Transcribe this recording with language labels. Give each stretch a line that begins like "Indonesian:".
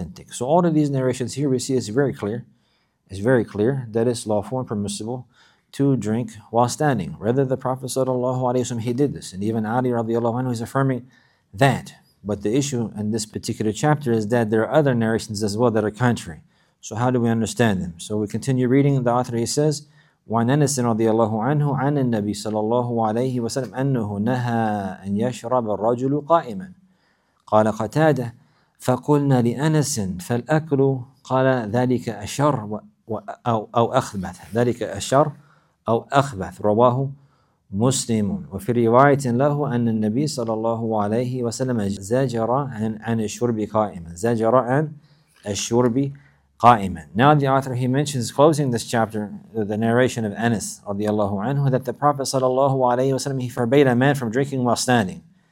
English: So all of these narrations here we see is very clear. It's very clear that it's lawful and permissible to drink while standing. Rather, the Prophet sallallahu alaihi wasallam, he did this, and even Ali radiallahu anhu is affirming that. But the issue in this particular chapter is that there are other narrations as well that are contrary. So how do we understand them? So we continue reading. The author, he says,
Arabic: وَعَنْ أَنَسَ رَضِيَ اللَّهُ عَنْهُ عَنَ النَّبِيِّ صَلَّى اللَّهُ عَلَيْهِ وَسَلَّمَ أَنَّهُ نَهَى أَنْ يَشْرَبَ الرَّجُلُ قَائِمًا قَالَ قَتَادَةُ فَقُلْنَا لِأَنَسٍ فَالْأَكْلُ قَالَ ذَلِكَ أَشَرُّ أَوْ أَخْبَثَ ذَلِكَ أَشَرُّ أو أخبث رواه مسلم وفي رواية له أن النبي صلى الله عليه وسلم زجر عن الشرب قائما زجر عن الشرب قائما.
English: Now the author, he mentions closing this chapter, the narration of Anas
Arabic: رضي الله عنه,
English: that the Prophet
Arabic: صلى الله عليه وسلم,
English: he forbade a man from drinking while standing.